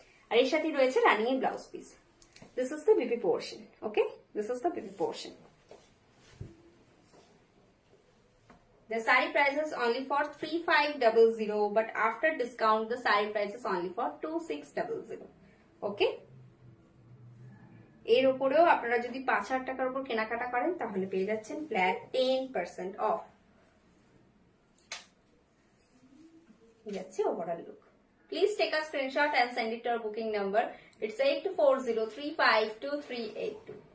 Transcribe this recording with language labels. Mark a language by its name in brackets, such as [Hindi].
[Bangla] আর এর সাথে রয়েছে রানিং এর blouse piece, [English] This is the BB portion, okay, this is the BB portion. The sari price is only for 3500, but after discount the sari price is only for 2600, okay? [Bangla] এর উপরেও আপনারা যদি 5000 টাকার উপর কেনাকাটা করেন তাহলে পেয়ে যাচ্ছেন ফ্ল্যাট 10% অফ। যাচ্ছে [English] Overall look, please take a screenshot and send it to booking number, it's 8403523382।